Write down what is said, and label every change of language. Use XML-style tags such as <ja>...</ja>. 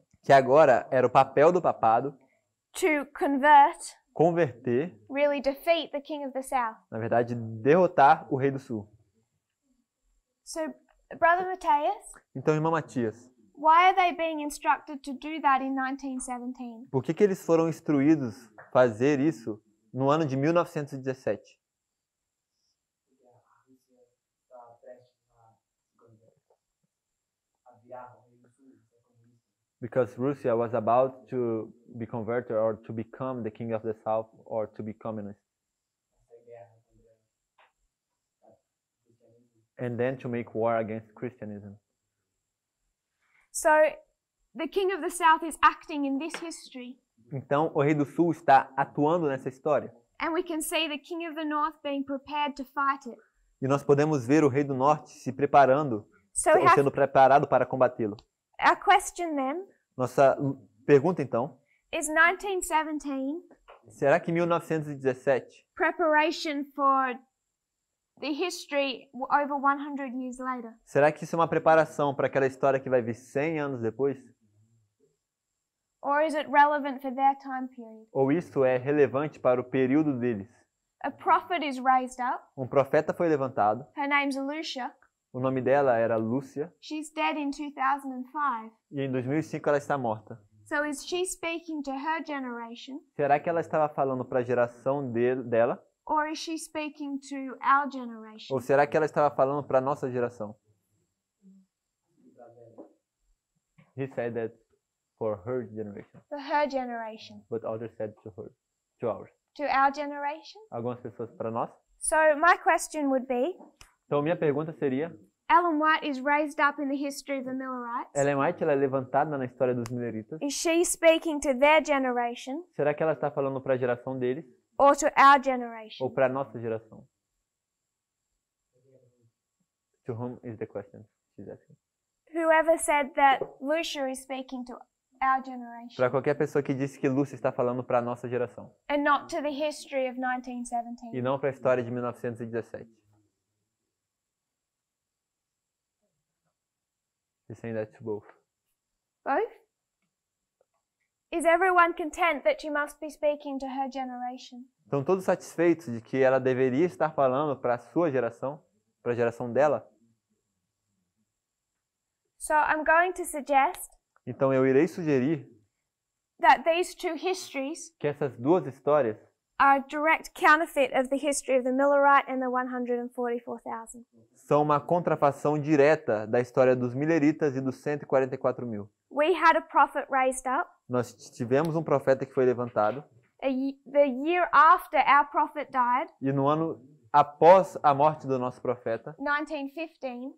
<pt>Que agora era o papel do papado.</pt> <en>To convert.</en> <pt>Converter.</pt> <en>Really defeat the King of the South.</en> <pt>Na verdade, derrotar o Rei do Sul.</pt> <en>So, Brother Matthias.</en> <pt>Então, irmão Matias.</pt> <en>Why are they being instructed to do that in 1917?</en> <pt>Por que eles foram instruídos fazer isso no ano de 1917?</pt> <en>Because Russia was about to be converted or to become the king of the south or to be communist. And then to make war against Christianism. So, the King of the South is acting in this history.</en> <pt>Então, o Rei do Sul está atuando nessa história.</pt> <en>And we can see the King of the North being prepared to fight it.</en> <pt>E nós podemos ver o Rei do Norte se preparando, sendo preparado para combatê-lo.</pt> <en>A question then.</en> <pt>Nossa pergunta então.</pt> <en>Is 1917?</en> <pt>Será que 1917?</pt> <en>Preparation for the history over 100 years later.</en> <pt>Será que isso é uma preparação para aquela história que vai vir 100 anos depois?</pt> <en>Or is it relevant for their time period?</en> <pt>Ou isso é relevante para o período deles?</pt> <en>A prophet is raised up.</en> <pt>Um profeta foi levantado.</pt> <en>Her name's Lucia.</en> <pt>O nome dela era Lúcia.</pt> <en>She's dead in 2005.</en> <pt>E em 2005 ela está morta.</pt> <en>So is she speaking to her generation?</en> <pt>Será que ela estava falando para a geração dela?</pt> <en>Or is she speaking to our generation?</en> <pt>Ou será que ela estava falando para a nossa geração?</pt> <en>He said that for her generation. For her generation. But others said to her, to ours. To our generation?</en> <pt>Algumas pessoas para nós.</pt> <en>So my question would be.</en> <pt>Então minha pergunta seria.</pt> <en>Ellen White is raised up in the history of the Millerites.</en> <pt>Ellen White, ela é levantada na história dos Milleritas.</pt> <en>Is she speaking to their generation?</en> <pt>Será que ela está falando para a geração deles?</pt> <en>Or to our generation.</en> <pt>Ou para nossa geração.</pt> <en>To whom is the question she's asking? Whoever said that Lucia is speaking to our generation.</en> <pt>Para qualquer pessoa que disse que Lucia está falando para nossa geração.</pt> <en>And not to the history of 1917.</en> <pt>E não para a história de 1917.</pt> <en>She's saying that to both. Both? Is everyone content that you must be speaking to her generation?</en> <pt>Estão todos satisfeitos de que ela deveria estar falando para a sua geração, para a geração dela?</pt> <en>So I'm going to suggest.</en> <pt>Então eu irei sugerir</pt> <en>that these two histories</en> <pt>que essas duas histórias</pt> <en>a direct counterfeit of the history of the Millerite and the 144,000.</en> <pt>São uma contrafação direta da história dos Milleritas e dos 144,000.</pt> <en>We had a prophet raised up.</en> <pt>Nós tivemos profeta que foi levantado.</pt> <en>The year after our prophet died.</en> <pt>E no ano após a morte do nosso profeta.</pt> <en>1915.</en>